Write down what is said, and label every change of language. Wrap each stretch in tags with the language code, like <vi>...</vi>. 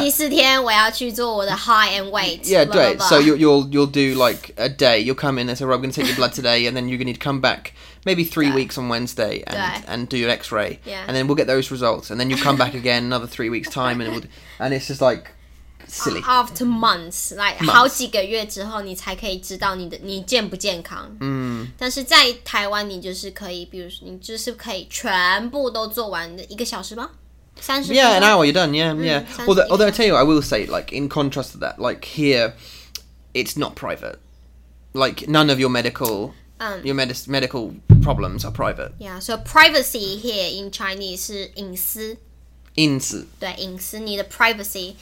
<zh>第四天我要去做我的</zh> <en>height and weight. Yeah, blah,</en> <zh>对</zh> <en>blah, blah. So you'll do like a day. You'll come in and say, "Rob, I'm going to take your blood today," and then you're going to come back. Maybe 3 weeks on Wednesday and do your X-ray. Yeah. And then we'll get those results. And then you'll come back again another 3 weeks' time. And, and it's just like silly. After months, like months.</en> <zh>好几个月之后你才可以知道你健不健康。 Mm. 但是在台湾你就是可以比如说你就是可以全部都做完一个小时吗？三十分钟。</zh> <en>Yeah, an hour, you're done, yeah, yeah. Although I tell you, I will say, like, in contrast to that, like, here, it's not private. Like, none of your medical... your medical problems are private. Yeah, so privacy here in Chinese is</en> <zh>隐私。隐私。对，隐私，你的</zh> <en>privacy。</en>